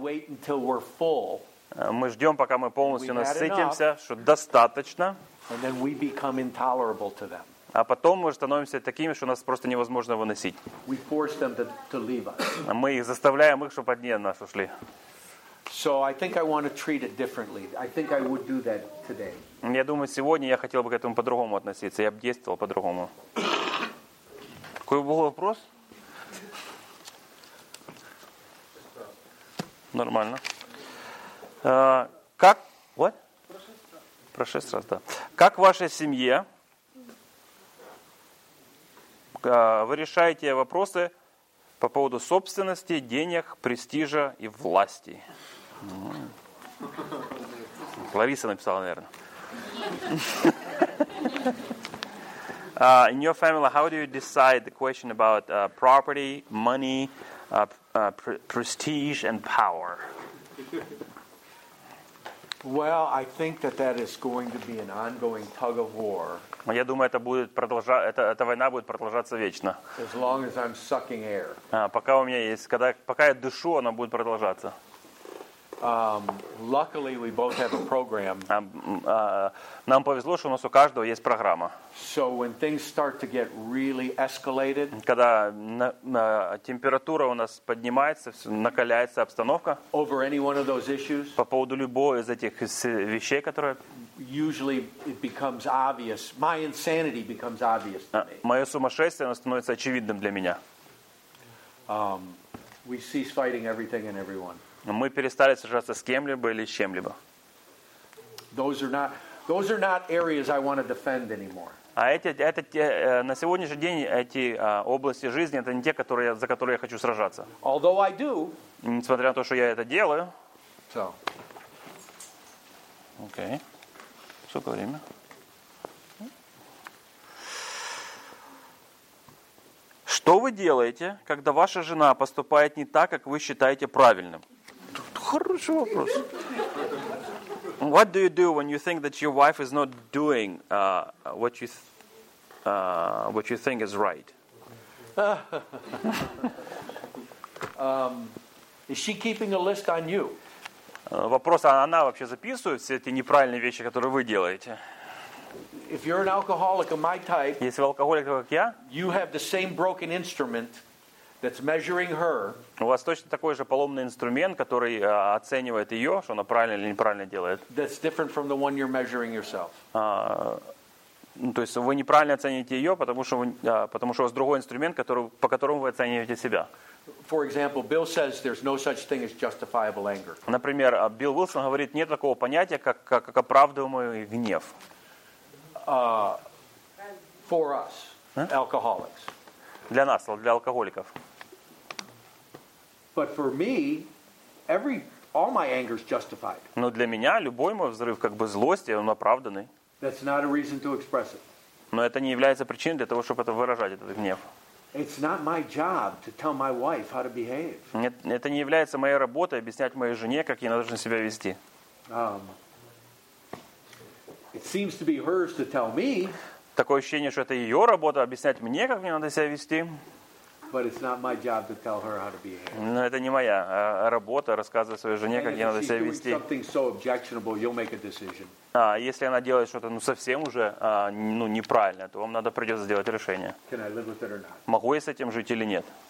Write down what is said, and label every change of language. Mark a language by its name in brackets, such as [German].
[English] We wait until we're full. [Russian] Мы ждем, пока мы полностью насытимся, что достаточно. [English] And then we become intolerable to them. [Russian] А потом мы становимся такими, что нас просто невозможно выносить. [English] We force them to leave us. [Russian] Мы их заставляем, их, чтобы они от нас ушли. [English] So I think I want to treat it differently. I think I would do that today. [Russian] Я думаю, сегодня я хотел бы к этому по-другому относиться. Я бы действовал по-другому. Какой был вопрос? Нормально. Как? [English] What? [Russian] Про 6 раз, да. Как в вашей семье вы решаете вопросы по поводу собственности, денег, престижа и власти? Лариса написала, наверное. [English] In your family, how do you decide the question about property, money, prestige, and power? Well, I think that that is going to be an ongoing tug of war. [Russian] Я думаю, это будет эта война будет продолжаться вечно. [English] As long as I'm sucking air. [Russian] Пока у меня есть, пока я дышу, она будет продолжаться. [English] Luckily, we both have a program. [Russian] Нам повезло, что у нас у каждого есть программа. [English] So when things start to get really escalated, [Russian] когда температура у нас поднимается, накаляется обстановка, [English] over any one of those issues, [Russian] по поводу любого из этих вещей, которые, [English] usually it becomes obvious. My insanity becomes obvious to me. [Russian] Мое сумасшествие становится очевидным для меня. [English] We cease fighting everything and everyone. [Russian] Мы перестали сражаться с кем-либо или с чем-либо. А это на сегодняшний день эти области жизни, это не те, которые, за которые я хочу сражаться. [English] Although I do. [Russian] Несмотря на то, что я это делаю. [English] So. [Russian] Окей. Сколько время? Что вы делаете, когда ваша жена поступает не так, как вы считаете правильным? Хороший вопрос. [English] What do you do when you think that your wife is not doing what you think is right? Is she keeping a list on you? [Russian] Вопрос, а она вообще записывает все эти неправильные вещи, которые вы делаете? [English] If you're an alcoholic of my type, [Russian] если вы алкоголик, как я, [English] you have the same broken instrument. That's measuring her. [Russian] У вас точно такой же поломный инструмент, который оценивает ее, что она правильно или неправильно делает. [English] That's different from the one you're measuring yourself. [Russian] То есть вы неправильно оцениваете ее, потому что у вас другой инструмент, по которому вы оцениваете себя. [English] For example, Bill says there's no such thing as justifiable anger. [Russian] Например, Билл Уилсон говорит, нет такого понятия, как оправдываемый гнев. [English] For us, alcoholics. [Russian] Для нас, для алкоголиков. [English] But for me, all my anger is justified. [Russian] Но для меня любой мой взрыв, как бы злости, он оправданный. [English] That's not a reason to express it. [Russian] Но это не является причиной для того, чтобы это выражать, этот гнев. [English] It's not my job to tell my wife how to behave. [Russian] Нет, это не является моей работой объяснять моей жене, как ей нужно себя вести. [English] It seems to be hers to tell me. [Russian] Такое ощущение, что это ее работа объяснять мне, как мне надо себя вести. [English] But it's not my job to tell her how to behave. [Russian] Но это не моя работа рассказывать своей жене, как ей надо себя вести. [English] Something so objectionable, you'll make a decision. [Russian] Если она делает что-то совсем уже неправильно, то вам придется сделать решение. [English] Can I live with it or not? [Russian] Могу я с этим жить или нет?